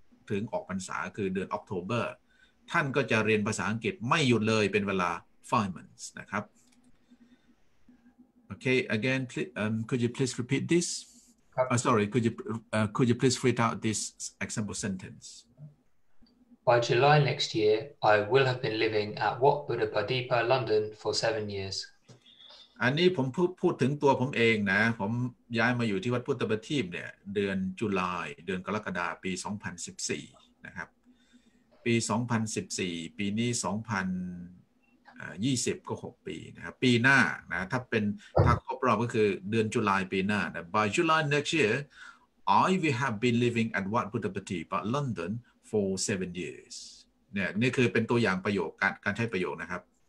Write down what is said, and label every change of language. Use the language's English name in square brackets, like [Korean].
[Thai] ถึงออกพรรษาคือเดือนออกโทเบอร์ท่านก็จะเรียนภาษาอังกฤษไม่หยุดเลยเป็นเวลา5 months นะครับโอเค [English] again please, could you please repeat this sorry could you please read out this example sentence by July next year I will have been living at Wat Buddhapadipa London for 7 years [Thai] อันนี้ผมพูดถึงตัวผมเองนะผมย้ายมาอยู่ที่วัดพุทธบทีพเนี่ยเดือนกรกฎาคมเดือนกรกฎาคมปี2014นะครับปี2014ปีนี้2000 20ก็6ปีนะครับปีหน้านะถ้าเป็นถ้าครบรอบก็คือเดือนกรกฎาคมปีหน้านะ [English] By July next year I will have been living at Wat Buddhapati but London for 7 years [Thai] เนี่ยนี่คือเป็นตัวอย่างประโยคการใช้ประโยคนะครับ